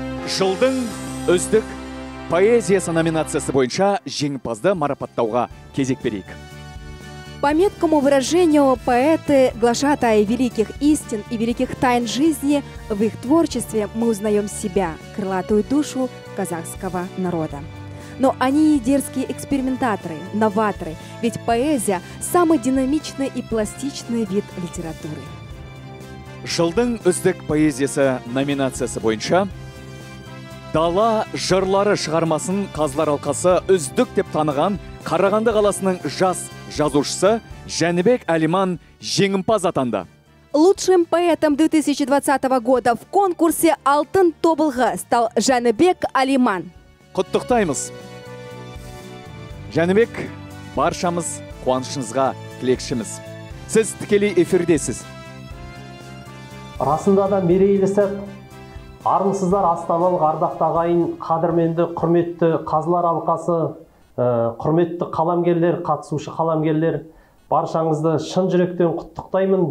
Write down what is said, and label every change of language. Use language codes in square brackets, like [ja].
[kk] Жылдың үздік поэзиясы номинациясы бойынша жеңімпазды марапаттауға кезек берейік. [ru] По меткому выражению поэты, глашатая великих истин и великих тайн жизни, в их творчестве мы узнаем себя, крылатую душу казахского народа. Но они и дерзкие экспериментаторы, новаторы, ведь поэзия – самый динамичный и пластичный вид литературы. [kk] Жылдың үздік поэзиясы номинациясы бойынша «Дала жырлары» шығармасын қазылар алқасы үздік деп таныған Қарағанды қаласының жас жазушысы Жәнібек Әлиман жеңімпаз атанды. [ru] Лучшим поэтом 2020 года в конкурсе «Алтын Тобылғы» стал Жәнібек Әлиман. [kk] Құттықтаймыз. Жәнібек, баршамыз қуанышыңызға тілекшіміз. Сіз тікелей эфирдесіз. Расында да мерейлі сәт. Армысыздар астаналық ардақтағайын қадірменді құрметті қазылар алқасы, құрметті қаламгерлер, қатысушы қаламгерлер, баршаңызды шын жүректен құттықтаймын.